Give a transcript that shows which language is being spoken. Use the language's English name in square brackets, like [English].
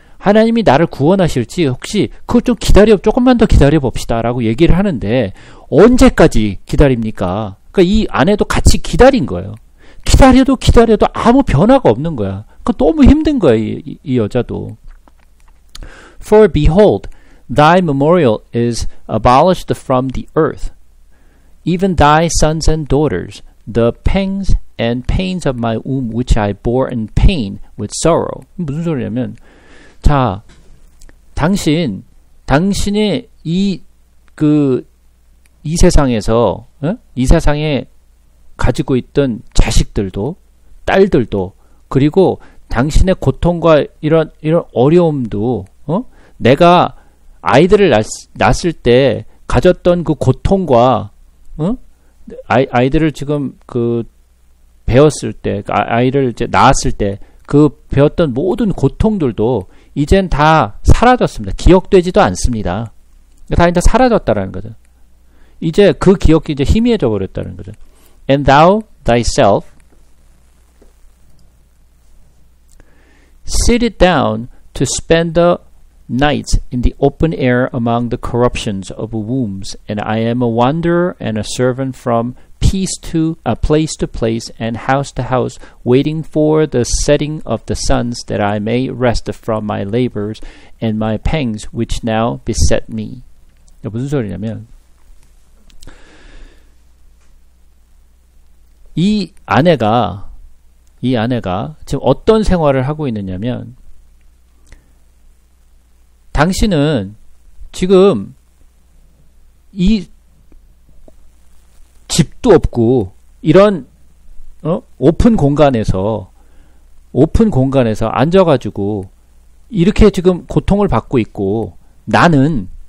[Korean] 하나님이 나를 구원하실지 혹시 그걸 좀 기다려, 조금만 더 기다려 봅시다 라고 얘기를 하는데, 언제까지 기다립니까? 그러니까 이 아내도 같이 기다린 거예요. 기다려도 기다려도 아무 변화가 없는 거야. 그 너무 힘든 거야, 이 여자도. [English] For behold, thy memorial is abolished from the earth. Even thy sons and daughters, the pangs and pains of my womb, which I bore in pain with sorrow. [Korean] 무슨 소리냐면, 자, 당신의 이 세상에서, 어? 이 세상에 가지고 있던 자식들도, 딸들도, 그리고 당신의 고통과 이런 어려움도, 어? 내가 아이들을 낳았을 때 가졌던 그 고통과, 응? 아이들을 지금 그 배웠을 때, 아이를 이제 낳았을 때그 배웠던 모든 고통들도 이젠 다 사라졌습니다. 기억되지도 않습니다. 다 이제 사라졌다라는 거죠. 이제 그 기억이 이제 희미해져 버렸다는 거죠. [English] And thou thyself sit down to spend the nights in the open air among the corruptions of wombs, and I am a wanderer and a servant from peace to a place to place and house to house, waiting for the setting of the suns that I may rest from my labors and my pangs which now beset me. [Korean] 무슨 소리냐면, 이 아내가 지금 어떤 생활을 하고 있느냐면, 당신은 지금 이 집도 없고 이런 오픈 공간에서 앉아가지고 이렇게 지금 고통을 받고 있고, 나는